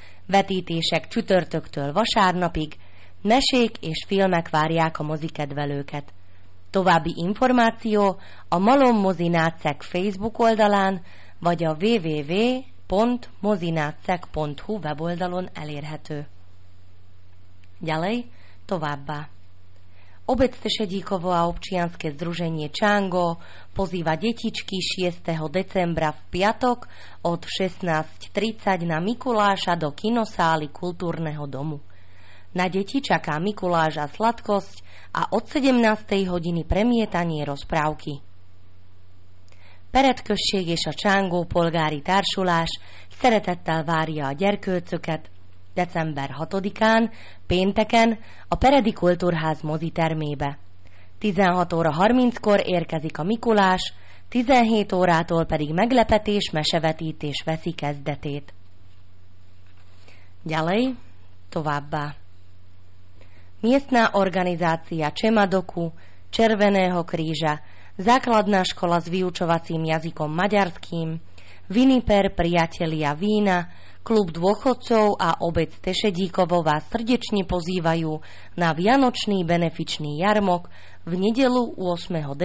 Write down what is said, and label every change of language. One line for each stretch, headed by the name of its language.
Hungarian: Vetítések csütörtöktől vasárnapig, mesék és filmek várják a mozikedvelőket. További információ a Malom mozi Nátszeg Facebook oldalán vagy a www.mozinatszeg.hu weboldalon elérhető.
Slovak: Ďalej,
Hungarian: továbbá.
Slovak: Obecné šedíkovo a občianske združenie Čango pozýva detičky 6. decembra v piatok od 16.30 na Mikuláša do kinosály kultúrneho domu. Na deti čaká Mikuláša sladkosť a od 17. hodiny premietanie rozprávky.
Hungarian: Peretkösség és a Csángó polgári társulás szeretettel várja a gyerkőcöket december 6-án, pénteken a Peredi Kultúrház mozitermébe. 16 óra 30-kor érkezik a Mikulás, 17 órától pedig meglepetés, mesevetítés veszi kezdetét.
Slovak: Ďalej,
Hungarian: továbbá.
Slovak: Miestná organizácia Csemadoku, Červeného kríža, základná škola s vyučovacím jazykom maďarským, Viniper priatelia vína, Klub dôchodcov a obec Tešedíkovo vás srdečne pozývajú na vianočný benefičný jarmok v nedeľu 8.